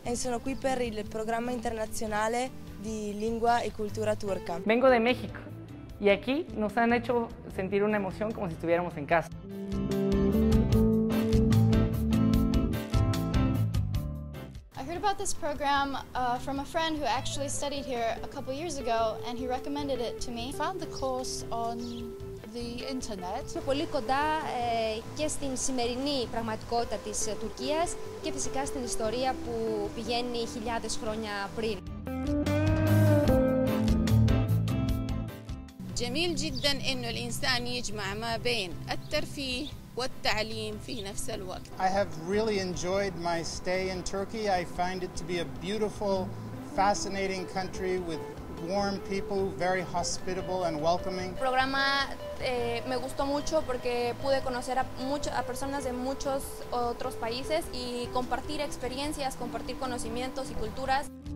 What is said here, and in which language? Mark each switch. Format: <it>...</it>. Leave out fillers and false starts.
<it>E sono qui per il programma internazionale di lingua e cultura turca.</it> <es>Vengo</es> <it>da Messico e qui</it> <es>nos han hecho sentir una emoción como si estuviéramos en casa.</es> <en>I heard about this program from a friend who actually studied here a couple years ago and he recommended it to me. I found the course on the internet.</en> <el>Πολύ κοντά και στην σημερινή πραγματικότητα της Τουρκίας και φυσικά στην ιστορία που πηγαίνει χιλιάδες χρόνια πριν.</el> <ar>جميل جدا انه الانسان يجمع ما بين الترفيه والتعليم في نفس الوقت.</ar> <en>I have really enjoyed my stay in Turkey. I find it to be a beautiful, fascinating country with warm people, very hospitable and welcoming.</en> <es>El programa me gustó mucho porque pude conocer a personas de muchos otros países y compartir experiencias, compartir conocimientos y culturas.</es>